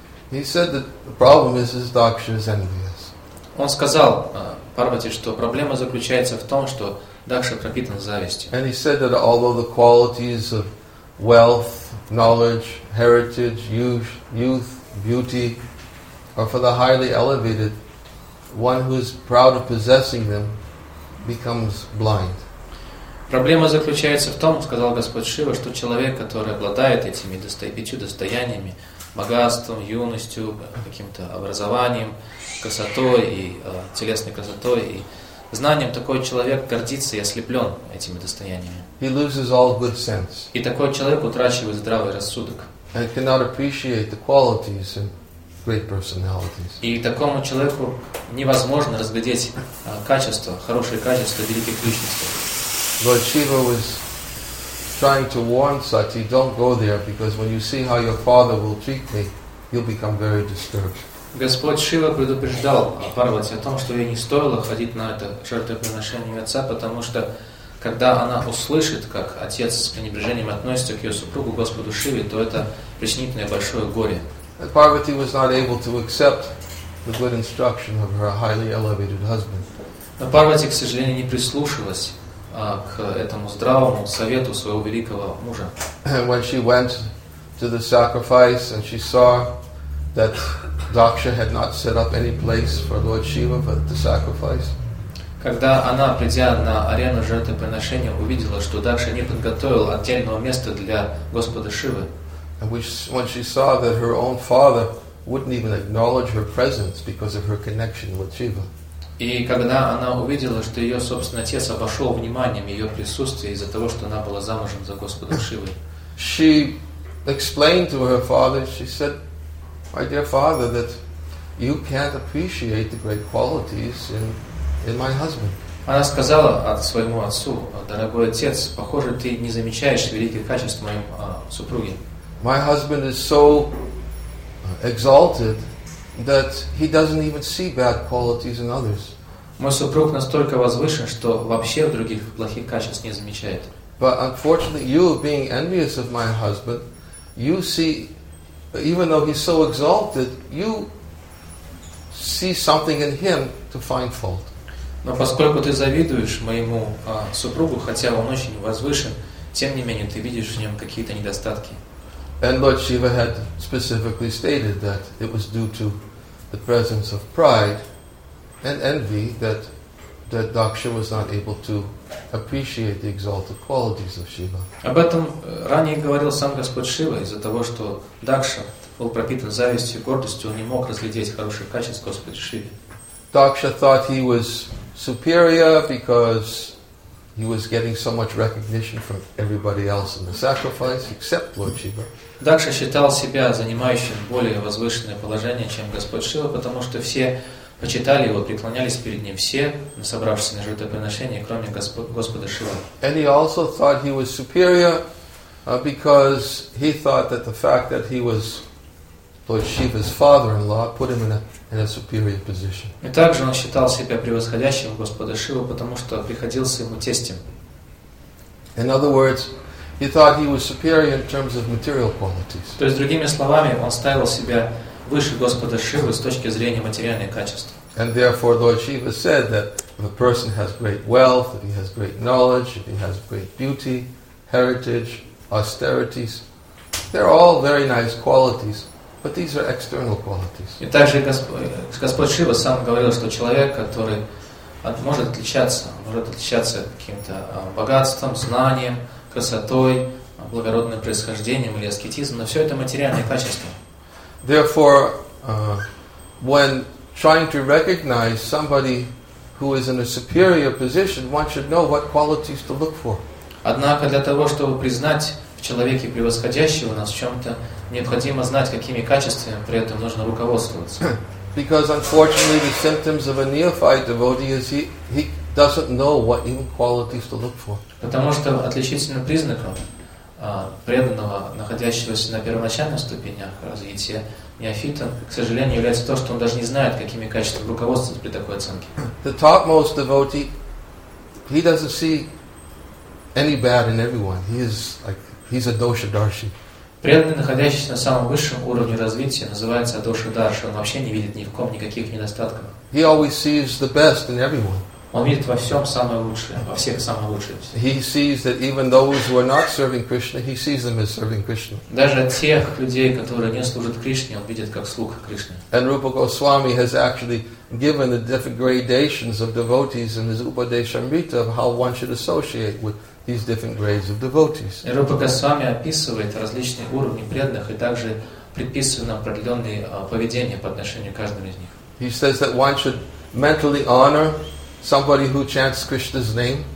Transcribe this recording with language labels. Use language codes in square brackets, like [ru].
[en] He said that the problem is his Daksha is envious. [ru] Он сказал Парвати, что проблема заключается в том, что Дакша пропитан завистью. [en] And he said that although the qualities of wealth, knowledge, heritage, youth, beauty are for the highly elevated, one who is proud of possessing them becomes blind. [ru] Проблема заключается в том, сказал Господь Шива, что человек, который обладает этими пятью достояниями, богатством, юностью, каким-то образованием, красотой и телесной красотой и знанием, такой человек гордится и ослеплен этими достояниями. [en] He loses all good sense. [ru] И такой человек утрачивает здравый рассудок. [en] And cannot appreciate the qualities and great personalities. [ru] И такому человеку невозможно разглядеть качество, хорошее качество великих личностей. [en] Lord Shiva was trying to warn Sati, don't go there, because when you see how your father will treat me, you'll become very disturbed. [ru] Господь Шива предупреждал Парвати о том, что ей не стоило ходить на это жертвоприношение отца, потому что когда она услышит, как отец с пренебрежением относится к ее супругу, Господу Шиве, то это причинит ей большое горе. [en] that Parvati was not able to accept the good instruction of her highly elevated husband. [ru] Но Парвати, к сожалению, не прислушалась к этому здравому совету своего великого мужа. [en] When she went to the sacrifice and she saw that Daksha had not set up any place for Lord Shiva for the sacrifice. [ru] Когда она, придя на арену жертвоприношения, увидела, что Дакша не подготовил отдельного места для Господа Шивы. [en] When she saw that her own father wouldn't even acknowledge her presence because of her connection with Shiva. [ru] И когда она увидела, что ее собственный отец обошел вниманием ее присутствие из-за того, что она была замужем за Господом Шивой. [en] She explained to her father, she said, my dear father, that you can't appreciate the great qualities in my husband. [ru] Она сказала своему отцу, дорогой отец, похоже, ты не замечаешь великих качеств моей супруги. [en] My husband is so exalted that he doesn't even see bad qualities in others. [ru] Мой супруг настолько возвышен, что вообще других плохих качеств не замечает. [en] But unfortunately, you, being envious of my husband, you see, even though he's so exalted, you see something in him to find fault. [ru] Но поскольку ты завидуешь моему супругу, хотя он очень возвышен, тем не менее ты видишь в нем какие-то недостатки. [en] And Lord Shiva had specifically stated that it was due to the presence of pride and envy that Daksha was not able to appreciate the exalted qualities of Shiva. [ru] Об этом ранее говорил сам Господь Шива, из-за того, что Дакша был пропитан завистью и гордостью, он не мог разглядеть хороших качеств Господа Шивы. [en] Daksha thought he was superior because he was getting so much recognition from everybody else in the sacrifice, except Lord Shiva. [ru] Дакша считал себя занимающим более возвышенное положение, чем Господь Шива, потому что все почитали его, преклонялись перед ним все, собравшиеся на жертвоприношение, кроме Господа Шивы. [en] And he also thought he was superior because he thought that the fact that he was Lord Shiva's father-in-law put him in a superior position. [ru] И также он считал себя превосходящим Господа Шивы, потому что приходился ему тестем. [en] In other words, he thought he was superior in terms of material qualities. [ru] То есть другими словами, он ставил себя выше Господа Шивы с точки зрения материальных качеств. [en] And therefore, Lord Shiva said that if a person has great wealth, if he has great knowledge, if he has great beauty, heritage, austerities, they're all very nice qualities. But these are external qualities. [ru] И также Господь Шива сам говорил, что человек, который может отличаться каким-то богатством, знанием, красотой, благородным происхождением или аскетизмом, но все это материальные качества. [en] Therefore, when trying to recognize somebody who is in a superior position, one should know what qualities to look for. [ru] Однако для того, чтобы признать в человеке превосходящего нас в чем-то, необходимо знать, какими качествами при этом нужно руководствоваться. [en] Because unfortunately the symptoms of a neophyte devotee is he doesn't know what even qualities to look for. [ru] Потому что отличительным признаком преданного, находящегося на первоначальных ступенях развития неофита, к сожалению, является то, что он даже не знает, какими качествами руководствоваться при такой оценке. [en] The topmost devotee, he doesn't see any bad in everyone. He's a dosha darshi. [ru] Преданный, находящийся на самом высшем уровне развития, называется доша-дарша. Он вообще не видит ни в ком никаких недостатков. [en] He always sees the best in everyone. [ru] Он видит во всем самое лучшее, во всех самое лучшее. [en] He sees that even those who are not serving Krishna, he sees them as serving Krishna. [ru] Даже тех людей, которые не служат Кришне, он видит как слуг Кришны. [en] And Rupa Goswami has actually given the different gradations of devotees in his Upadeshamrita of how one should associate with these different grades of devotees. [ru] Рупа Госвами описывает различные уровни преданных и также предписывает нам определенные поведения по отношению к каждому из них. [en] He says that one should mentally honor somebody who chants Krishna's name.